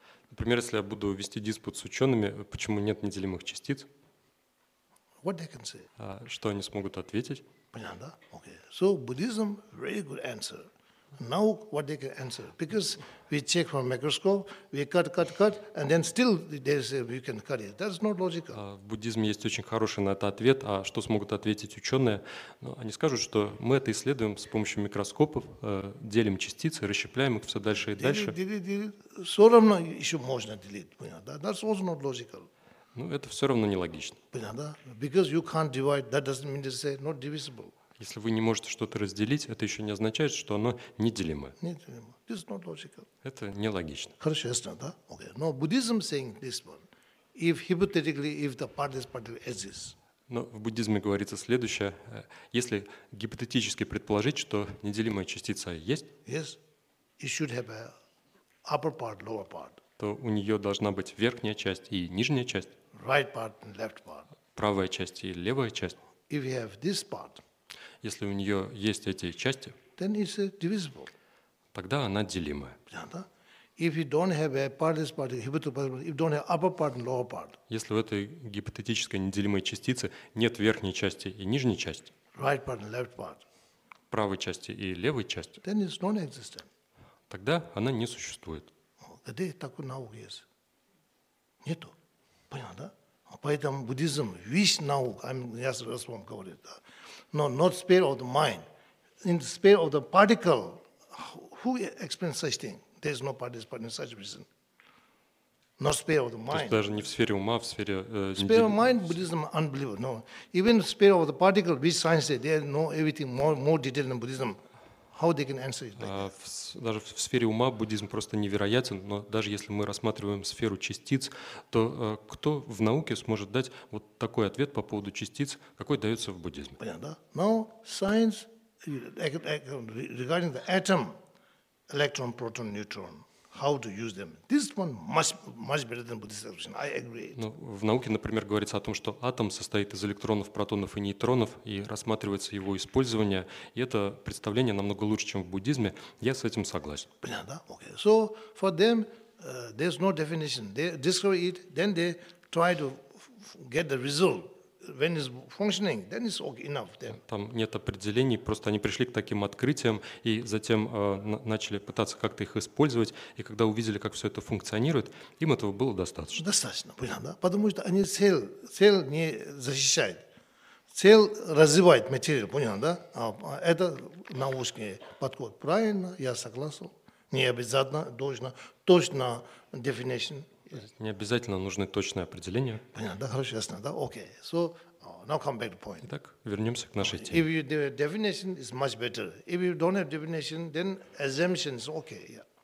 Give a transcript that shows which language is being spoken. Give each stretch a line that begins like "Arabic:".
Russian: Например, если я буду вести диспут с учеными, почему нет неделимых частиц?
English: What they can say?
Russian: Что они смогут ответить? Понятно, да?
English: Okay. So Buddhism, very good answer. Now what they can answer? Because we check from microscope, we cut, and then still they say we can cut it. That's not logical.
Russian: В буддизме есть очень хороший на это ответ. А что смогут ответить ученые? Ну, они скажут, что мы это исследуем с помощью микроскопов, делим частицы, расщепляем их все дальше и дальше. Все равно еще можно делить, понятно? Да?
English: That's also not logical.
Russian: Ну, это все равно нелогично. Понятно? Да?
English: Because you can't divide, that doesn't mean to say not divisible.
Russian: Если вы не можете что-то разделить, это еще не означает, что оно неделимо. Неделимо.
English: It's not logical.
Russian: Это нелогично. Хорошо, ясно, да?
English: Okay.
Russian: Но
English: Buddhism saying this one. If hypothetically, if the particle exists.
Russian: Но в буддизме говорится следующее. Если гипотетически предположить, что неделимая частица есть,
English: yes. It should have a upper part, lower part.
Russian: То у нее должна быть верхняя часть и нижняя часть.
English: Right part and left part.
Russian: Правая часть и левая часть.
English: If you have this part.
Russian: Если у нее есть эти части,
English: then it's divisible.
Russian: Тогда она делимая. Понятно?
English: If you don't have a partless part, hypothetical part, if don't have upper part and lower part.
Russian: Если в этой гипотетической неделимой частице нет верхней части и нижней части,
English: right part and left part.
Russian: Правой части и левой части,
English: then it's non-existent.
Russian: Тогда она не существует. Где такой науки есть? Нету. Понятно, да? Поэтому буддизм весь наука, я сейчас вам говорю, да.
English: No, not sphere of the mind. In the sphere of the particle, who explains such thing? There is no particle, but in such reason. Not sphere of the mind.
Russian: То есть даже не в сфере ума, в сфере...
English: Sphere of mind, Buddhism, unbelievable. No. Even sphere of the particle, which science say, they know everything more detailed than Buddhism. how they can answer it like that.
Russian: Даже в сфере ума буддизм просто невероятен, но даже если мы рассматриваем сферу частиц, то кто в науке сможет дать вот такой ответ по поводу частиц, какой дается в буддизме? Понятно, да?
English: Now, science, regarding the atom, electron, proton, neutron, how to use them. This one much better than Buddhist description. I agree.
Russian: Ну, в науке, например, говорится о том, что атом состоит из электронов, протонов и нейтронов, и рассматривается его использование. И это представление намного лучше, чем в буддизме. Я с этим согласен. Понятно, да?
English: Okay. So for them, there's no definition. They discover it, then they try to get the result. When it's functioning, then it's okay enough. Then.
Russian: Там нет определений, просто они пришли к таким открытиям и затем начали пытаться как-то их использовать. И когда увидели, как все это функционирует, им этого было достаточно. Достаточно, понятно, да? Потому что они цель не защищает, цель развивает материал, понятно, да? А это научный подход, правильно? Я согласен. Не обязательно должно точно definition. Не обязательно нужны точные определения. Понятно, да, хорошо, ясно, да, окей.
English: Okay. So, now come back to point.
Russian: Итак, вернемся к нашей теме.
English: If you have definition, it's much better. If you don't have definition, then assumption is okay, yeah.